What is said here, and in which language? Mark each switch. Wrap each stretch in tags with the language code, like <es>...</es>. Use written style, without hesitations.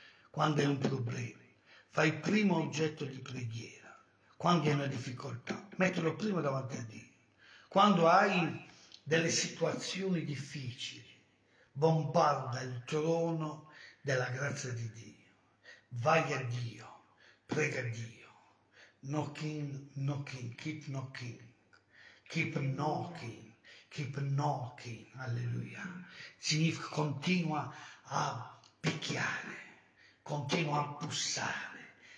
<it>Quando è un problema, fai primo oggetto di preghiera. Quando hai una difficoltà, mettilo prima davanti a Dio. Quando hai delle situazioni difficili, bombarda il trono della grazia di Dio. Vai a Dio, prega a Dio.</it> <en>Knocking, knocking, keep knocking. Keep knocking, keep knocking, alleluia.</en> <it>Significa continua a picchiare, continua a bussare.</it>